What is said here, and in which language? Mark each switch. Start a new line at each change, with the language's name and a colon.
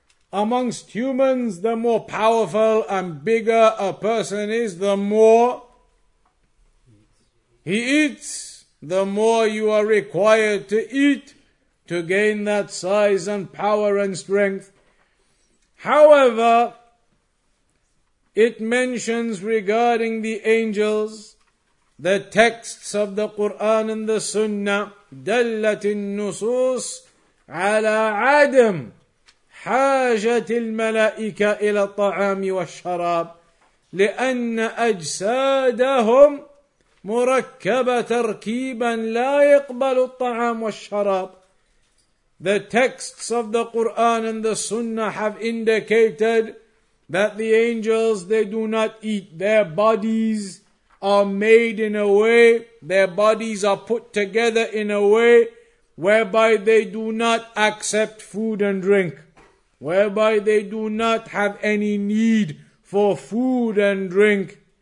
English: Amongst humans, the more powerful and bigger a person is, the more he eats, the more you are required to eat to gain that size and power and strength. However, it mentions regarding the angels, the texts of the Quran and the Sunnah,
Arabic: دلت النصوص على عدم حاجة الملائكة إلى الطعام والشراب لأن أجسادهم مركبة تركيبا لا يقبل الطعام والشراب.
English: The texts of the Quran and the Sunnah have indicated that the angels, they do not eat. Their bodies are made in a way, their bodies are put together in a way whereby they do not accept food and drink, whereby they do not have any need for food and drink.